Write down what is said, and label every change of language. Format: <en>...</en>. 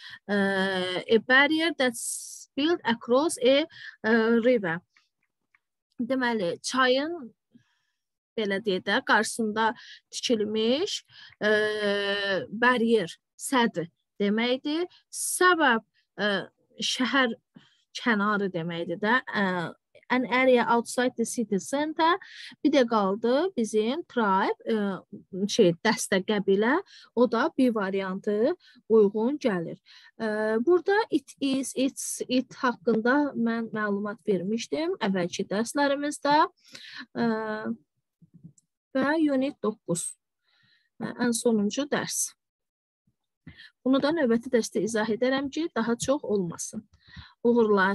<en>A barrier that's built across a river.</en> <az>Deməli, çayın belə deyək də, qarşısında tikilmiş barrier, sədi deməkdir. Səbəb şəhər kənarı deməkdir də.</az> <en>An area outside the city center.</en> <az>Bir de qaldı bizim tribe, dəstə, qəbilə. O da bir variantı uyğun gəlir. Burada it is, it haqqında mən məlumat vermişdim əvvəlki dərslərimizdə. Və unit 9. Ən sonuncu dərs. Bunu da növbəti dərsdə izah edərəm ki, daha çox olmasın. Uğurlar.</az>